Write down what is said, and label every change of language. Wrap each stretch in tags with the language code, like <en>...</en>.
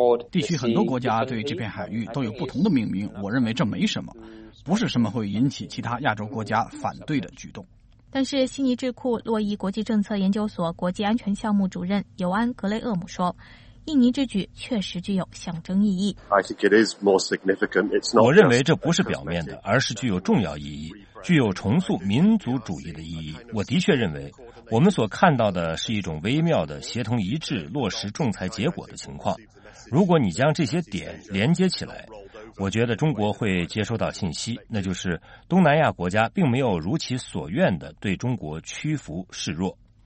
<zh>地区很多国家对这片海域都有不同的命名，我认为这没什么，不是什么会引起其他亚洲国家反对的举动。但是悉尼智库洛伊国际政策研究所国际安全项目主任尤安·格雷厄姆说，印尼之举确实具有象征意义。</zh> <en>I think it is more significant. It's not</en> <zh>我认为这不是表面的，而是具有重要意义。具有重塑民族主义的意义。我的确认为我们所看到的是一种微妙的协同一致落实仲裁结果的情况。如果你将这些点连接起来，我觉得中国会接收到信息，那就是东南亚国家并没有如其所愿地对中国屈服示弱。</zh>